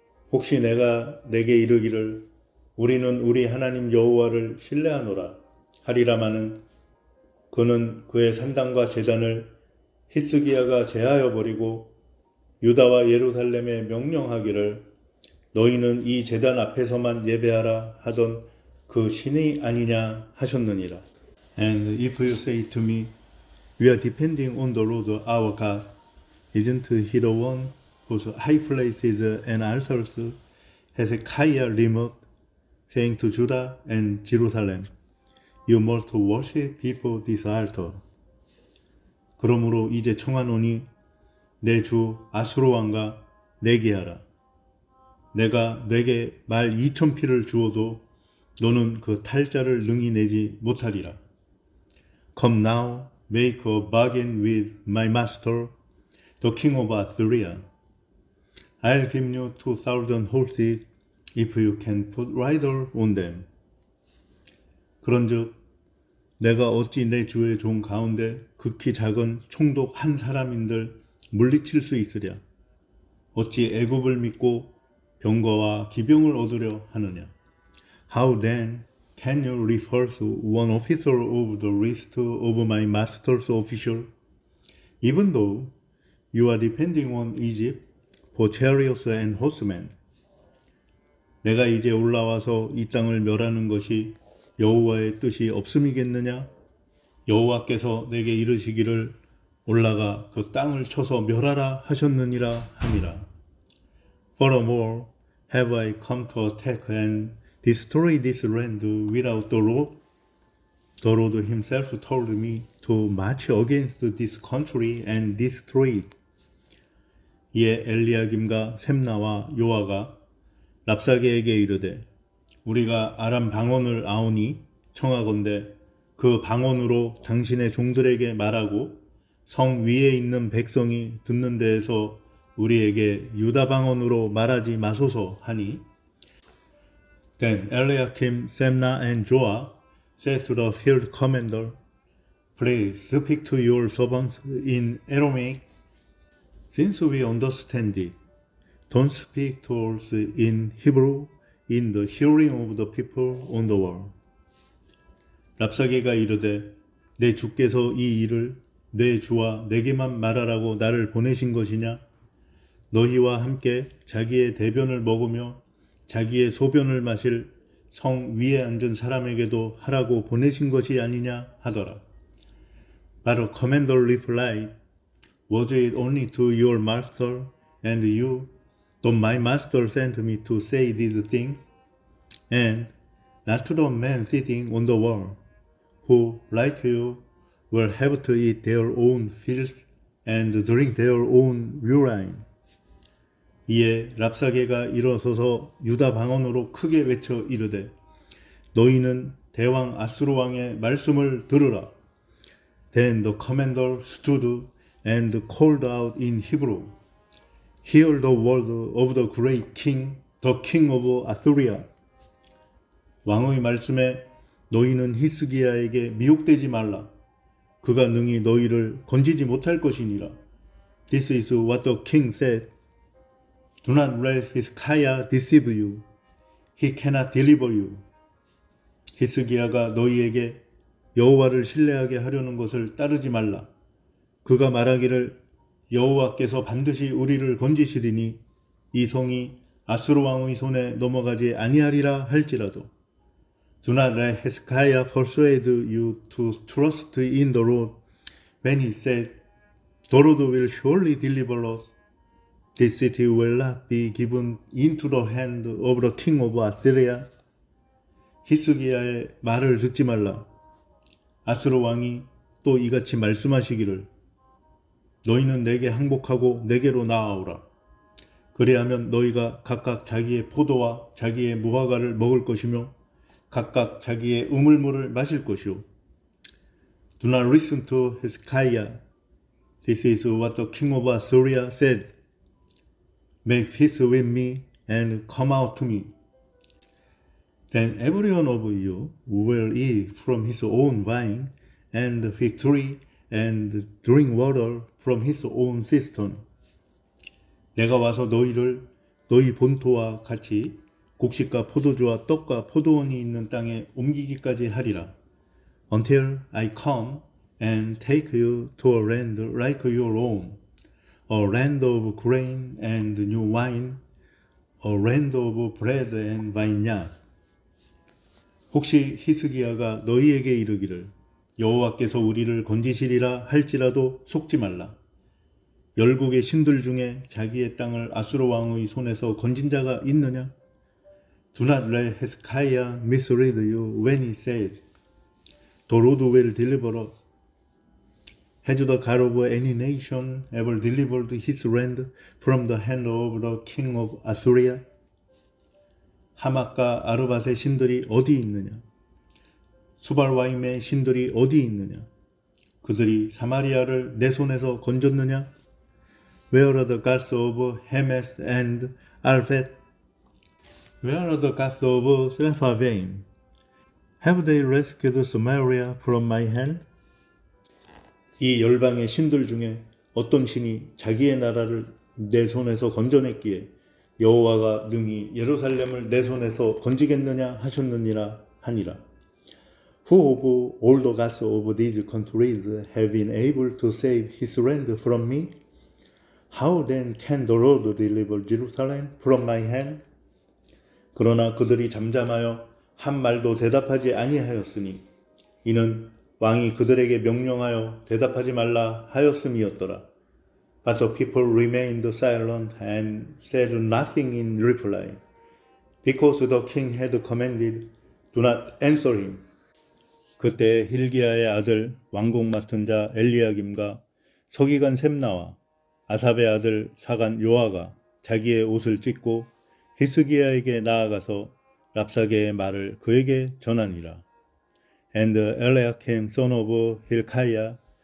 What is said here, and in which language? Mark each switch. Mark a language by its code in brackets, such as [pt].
[ko] 혹시 내가 내게 이르기를 우리는 우리 하나님 여호와를 신뢰하노라 하리라마는 그는 그의 산당과 제단을 히스기야가 제하여 버리고 유다와 예루살렘에 명령하기를 너희는 이 제단 앞에서만 예배하라 하던 그 신이 아니냐 하셨느니라. [en] And if you say to me, We are depending on the Lord our God, isn't he the one whose high places and altars Hezekiah removed? saying to Judah and Jerusalem, You must worship before this altar. [ko] 그러므로 이제 청하노니 내 주 아수르 왕과 내게 하라. 내가 내게 말 2천 피를 주어도 너는 그 탈자를 능히 내지 못하리라. [en] Come now, make a bargain with my master, the king of Assyria. I'll give you 2,000 horses, If you can put rider on them. [ko] 그런즉 내가 어찌 내 주의 종 가운데 극히 작은 총독 한 사람인들 물리칠 수 있으랴. 어찌 애굽을 믿고 병거와 기병을 얻으려 하느냐. [en] How then can you refuse one officer of the list of my master's official? Even though you are depending on Egypt for chariots and horsemen. [ko] 내가 이제 올라와서 이 땅을 멸하는 것이 여호와의 뜻이 없음이겠느냐? 여호와께서 내게 이르시기를 올라가 그 땅을 쳐서 멸하라 하셨느니라 함이라. [en] Furthermore, have I come to attack and destroy this land without the Lord? The Lord himself told me to march against this country and destroy it. [ko] 이에 엘리야김과 샘나와 요아가 랍사게에게 이르되 우리가 아람 방언을 아오니 청하건대 그 방언으로 당신의 종들에게 말하고 성 위에 있는 백성이 듣는 데에서 우리에게 유다 방언으로 말하지 마소서 하니 [en] Then Eliakim, Semna, and Joah said to the field commander, Please speak to your servants in Aramaic. Since we understand it, don't speak to us in Hebrew in the hearing of the people on the wall. [ko] 랍사게가 이르되 내 주께서 이 일을 내 주와 내게만 말하라고 나를 보내신 것이냐? 너희와 함께 자기의 대변을 먹으며 자기의 소변을 마실 성 위에 앉은 사람에게도 하라고 보내신 것이 아니냐 하더라. [en] But the commander replied, Was it only to your master and you, though my master sent me to say these things, and not to the man sitting on the wall, who, like you, will have to eat their own fields and drink their own urine? [ko] 이에 랍사게가 일어서서 유다 방언으로 크게 외쳐 이르되 너희는 대왕 아스루 왕의 말씀을 들으라. [en] Then the commander stood and called out in Hebrew, Hear the word of the great king, the king of Assyria. [ko] 왕의 말씀에 너희는 히스기야에게 미혹되지 말라. 그가 능히 너희를 건지지 못할 것이니라. [en] This is what the king said. Do not let Hezekiah deceive you. He cannot deliver you. [ko] 히스기야가 너희에게 여호와를 신뢰하게 하려는 것을 따르지 말라. 그가 말하기를 여호와께서 반드시 우리를 건지시리니 이 성이 아스로 왕의 손에 넘어가지 아니하리라 할지라도. [en] Do not let Hezekiah persuade you to trust in the Lord when he said, The Lord will surely deliver us. This city will not be given into the hand of the king of Assyria. [ko] 히스기야의 말을 듣지 말라. 아스로 왕이 또 이같이 말씀하시기를 너희는 내게 항복하고 내게로 나아오라. 그리하면 너희가 각각 자기의 포도와 자기의 무화과를 먹을 것이며 각각 자기의 우물물을 마실 것이오. [en] Do not listen to Hezekiah. This is what the king of Assyria said. Make peace with me and come out to me. Then every one of you will eat from his own vine and fig tree and drink water from his own cistern. [ko] 내가 와서 너희를 너희 본토와 같이 곡식과 포도주와 떡과 포도원이 있는 땅에 옮기기까지 하리라. [en] Until I come and take you to a land like your own. A land of grain and new wine, a land of bread and vineyards. [ko] 혹시 히스기야가 너희에게 이르기를 여호와께서 우리를 건지시리라 할지라도 속지 말라. 열국의 신들 중에 자기의 땅을 아스로 왕의 손에서 건진 자가 있느냐? [en] Do not let Hezekiah mislead you when he says, The Lord will deliver us. Has the God of any nation ever delivered his land from the hand of the king of Assyria? [ko] 하막과 아르밧의 신들이 어디 있느냐? 수발와임의 신들이 어디 있느냐? 그들이 사마리아를 내 손에서 건졌느냐? [en] Where are the gods of Hamath and Arphad? Where are the gods of Sepharvaim? Have they rescued Samaria from my hand? [ko] 이 열방의 신들 중에 어떤 신이 자기의 나라를 내 손에서 건져냈기에 여호와가 능히 예루살렘을 내 손에서 건지겠느냐 하셨느니라 하니라. [en] Who of all the gods of these countries have been able to save his land from me? How then can the Lord deliver Jerusalem from my hand? [ko] 그러나 그들이 잠잠하여 한 말도 대답하지 아니하였으니 이는 왕이 그들에게 명령하여 대답하지 말라 하였음이었더라. [en] But the people remained silent and said nothing in reply, because the king had commanded, do not answer him. [ko] 그때 힐기야의 아들 왕궁 맡은 자 엘리야김과 서기관 셈나와 아삽의 아들 사관 요아가 자기의 옷을 찢고 히스기야에게 나아가서 랍사게의 말을 그에게 전하니라. [en] And Eliakim, son of Hilkiah,